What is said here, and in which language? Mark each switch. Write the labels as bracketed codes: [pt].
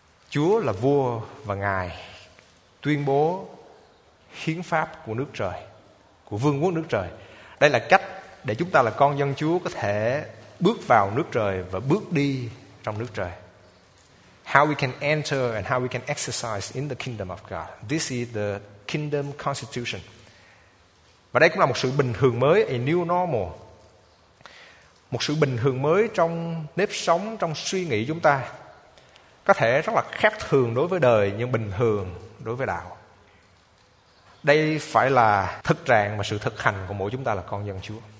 [vi] Chúa là vua và Ngài tuyên bố hiến pháp của nước trời, của vương quốc nước trời. Đây là cách để chúng ta là con dân Chúa có thể bước vào nước trời và bước đi trong nước trời. [en] How we can enter and how we can exercise in the kingdom of God. This is the kingdom constitution. [vi] Và đây cũng là một sự bình thường mới, [en] a new normal. [vi] Một sự bình thường mới trong nếp sống, trong suy nghĩ chúng ta. Có thể rất là khác thường đối với đời, nhưng bình thường đối với đạo. Đây phải là thực trạng và sự thực hành của mỗi chúng ta là con dân Chúa.